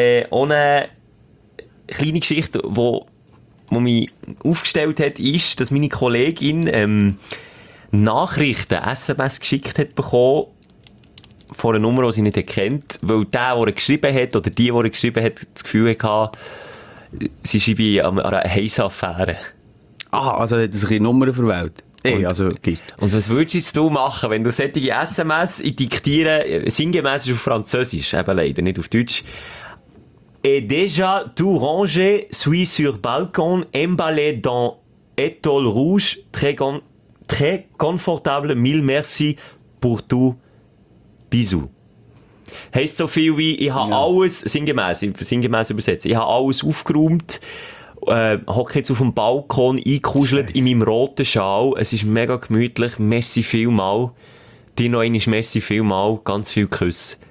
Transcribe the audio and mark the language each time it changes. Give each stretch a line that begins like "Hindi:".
German: Ohne kleine Geschichte, die mich aufgestellt hat, ist, dass meine Kollegin, Nachrichten, SMS geschickt hat bekommen von einer Nummer, die sie nicht kennt, weil der er geschrieben hat oder die er geschrieben hat, das Gefühl hatte, sie schreibe an einer heissen Affäre. Ah, also hat er sich die Nummer verwählt. Und was würdest du machen, wenn du solche SMS diktieren, sinngemäss ist auf Französisch, eben leider nicht auf Deutsch.
French: «Et déjà tout rangé, suis sur balcon, emballé dans étole rouge, très grand. Très confortable, mille merci pour tout, bisous.»
German: Heisst so viel wie, ich habe alles, sinngemäß übersetzt, ich habe alles aufgeräumt, hocke jetzt auf dem Balkon, eingekuschelt in meinem roten Schal, es ist mega gemütlich, merci vielmal, dir noch einmal merci vielmal, ganz viel Küsse.